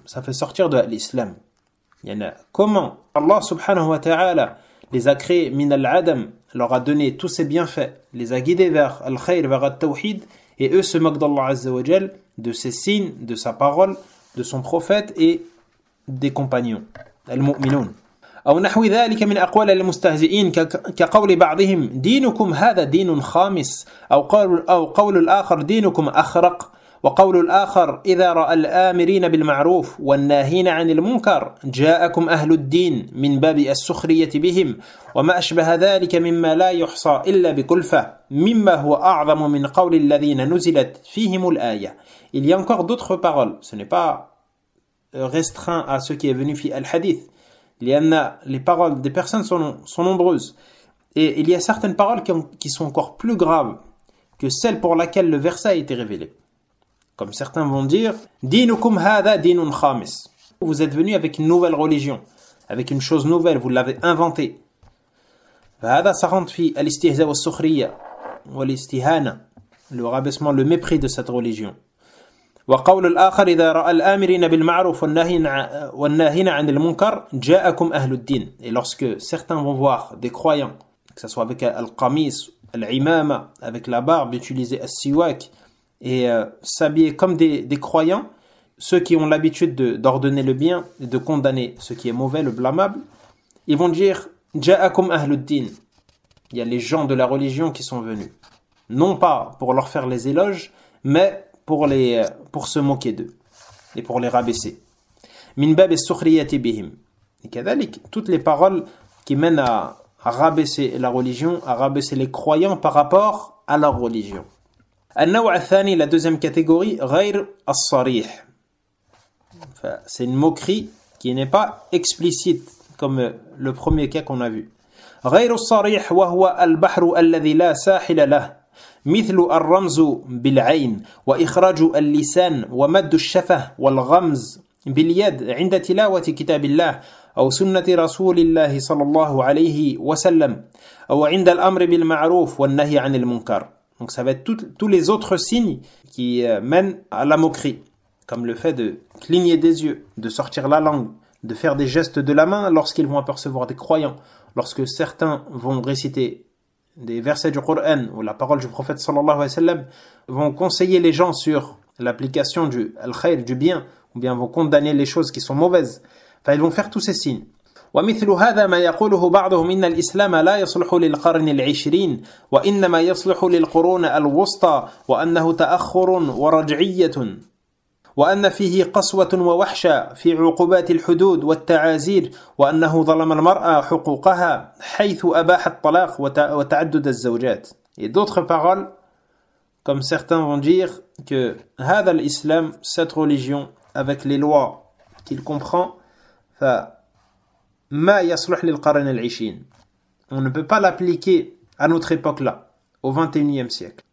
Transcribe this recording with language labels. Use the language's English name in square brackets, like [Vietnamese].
[French] Ça fait sortir de l'islam. Comment Allah subhanahu wa ta'ala les a créés min al-adam, leur a donné tous ses bienfaits, les a guidés vers al-khayr, vers al-tawhid, et eux se moquent d'Allah azza wa jal, de ses signes, de sa parole, de son prophète et des compagnons, al-mu'minun. [Arabic] أو نحو ذلك من أقوال المستهزئين كقول بعضهم دينكم هذا دين خامس أو قول الآخر دينكم أخرق وقول الآخر إذا رأى الآمرين بالمعروف والناهين عن المنكر جاءكم أهل الدين من باب السخرية بهم وما أشبه ذلك مما لا يحصى إلا بكلفة مما هو أعظم من قول الذين نزلت فيهم الآية. [French] Il y a encore d'autres paroles. Ce n'est pas restreint à ce qui est venu fi al-hadith. Les paroles des personnes sont nombreuses. Et il y a certaines paroles qui sont encore plus graves que celles pour lesquelles le verset a été révélé. Comme certains vont dire, « [Arabic] Dinukum hadha dinun khamis ». [French] Vous êtes venu avec une nouvelle religion, avec une chose nouvelle, vous l'avez inventée. « [Arabic] Fahadha sarantfi al-istihza wa sukhriya wa al-istihana [French] » le rabaissement, le mépris de cette religion. [Arabic] وقول الآخر إذا رأى الآمرين بالمعروف والناهين عن المنكر جاءكم أهل الدين. [French] Et lorsque certains vont voir des croyants, que ce soit avec القميص, العمامة, avec la barbe, utiliser السواك et s'habiller comme des croyants, ceux qui ont l'habitude d'ordonner le bien et de condamner ce qui est mauvais, le blâmable, ils vont dire [Arabic] جاءكم أهل الدين. [French] Il y a les gens de la religion qui sont venus, non pas pour leur faire les éloges, mais pour se moquer d'eux et pour les rabaisser. [Arabic] Min bab as-sukhriyati bihim. [French] Et كذلك, toutes les paroles qui mènent à rabaisser la religion, à rabaisser les croyants par rapport à leur religion. [Arabic] النوع الثاني, [French] la deuxième catégorie, [Arabic] غير الصريح. [French] C'est une moquerie qui n'est pas explicite comme le premier cas qu'on a vu. [Arabic] غير الصريح وهو البحر الذي لا ساحل له. مثل الرمز بالعين وإخراج اللسان ومد الشفة والغمز باليد عند تلاوة كتاب الله أو سنة رسول الله صلى الله عليه وسلم أو عند الأمر بالمعروف والنهي عن المنكر. [French] Donc ça va être tous les autres signes qui mènent à la moquerie, comme le fait de cligner des yeux, de sortir la langue, de faire des gestes de la main lorsqu'ils vont apercevoir des croyants, lorsque certains vont réciter des versets du Coran ou la parole du prophète sallallahu alayhi wa sallam, vont conseiller les gens sur l'application du al-khayr, du bien, ou bien vont condamner les choses qui sont mauvaises. Enfin, ils vont faire tous ces signes. [Arabic] ومثل هذا ما يقوله بعضهم إن الإسلام لا يصلح للقرن العشرين وإنما يصلح للقرون الوسطى وأنه تأخر ورجعية وأن فيه قسوة ووحشة في عقوبات الحدود والتعازير وأنه ظلم المرأة حقوقها حيث أباح الطلاق وتعدد الزوجات. [French] Et d'autres paroles, comme certains vont dire que [Arabic] هذا الإسلام, [French] cette religion, avec les lois qu'il comprend, [Arabic] ما يصلح للقرن العشرين. [French] On ne peut pas l'appliquer à notre époque-là, au 21e siècle.